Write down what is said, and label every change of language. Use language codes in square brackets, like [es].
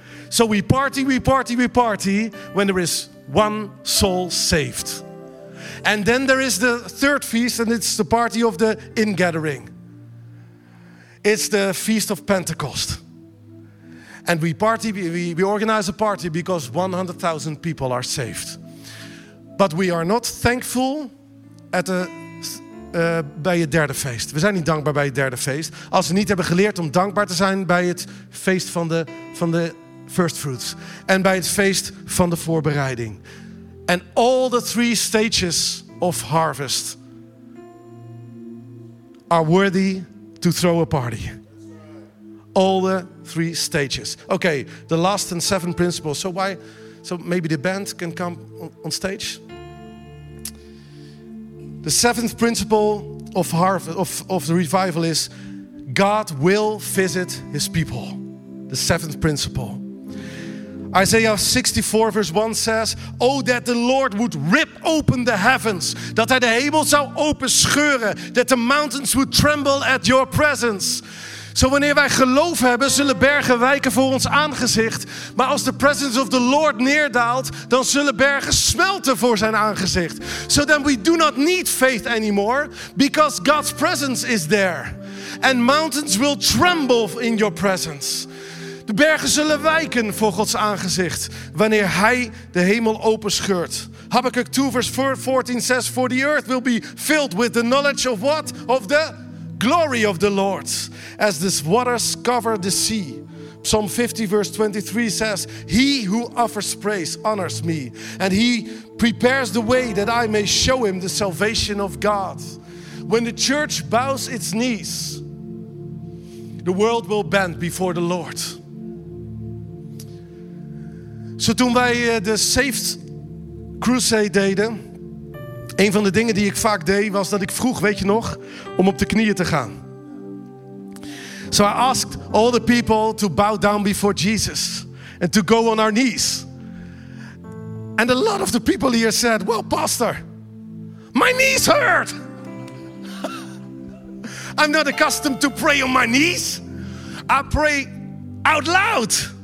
[en] So we party, we party, we party when there is one soul saved. And then there is the third feast, and it's the party of the ingathering. It's the feast of Pentecost. And we party, we organize a party because 100,000 people are saved. But we are not thankful at [nl] bij het derde feest. We zijn niet dankbaar bij het derde feest. Als we niet hebben geleerd om dankbaar te zijn bij het feest van de first fruits. En bij het feest van de voorbereiding. [en] And all the three stages of harvest are worthy to throw a party. All the three stages. Okay, the last and seven principles. So maybe the band can come on stage. The seventh principle of harvest of the revival is God will visit his people. The seventh principle. Isaiah 64 verse 1 says, oh that the Lord would rip open the heavens, [nl] dat hij de hemel zou open scheuren, [en] that the mountains would tremble at your presence. [nl] Zo, wanneer wij geloof hebben, zullen bergen wijken voor ons aangezicht. Maar als de [en] presence of the Lord [nl] neerdaalt, dan zullen bergen smelten voor zijn aangezicht. [en] So then we do not need faith anymore, because God's presence is there. And mountains will tremble in your presence. [nl] De bergen zullen wijken voor Gods aangezicht, wanneer Hij de hemel openscheurt. [en] Habakkuk 2 verse 14 says, for the earth will be filled with the knowledge of what? Of the glory of the Lord, as the waters cover the sea. Psalm 50 verse 23 says, he who offers praise honors me, and he prepares the way that I may show him the salvation of God. When the church bows its knees, the world will bend before the Lord. [nl] Zo, toen wij de Saved Crusade deden, een van de dingen die ik vaak deed was dat ik vroeg, weet je nog, om op de knieën te gaan. [en] So I asked all the people to bow down before Jesus and to go on our knees. And a lot of the people here said, well, pastor, my knees hurt. I'm not accustomed to pray on my knees. I pray out loud.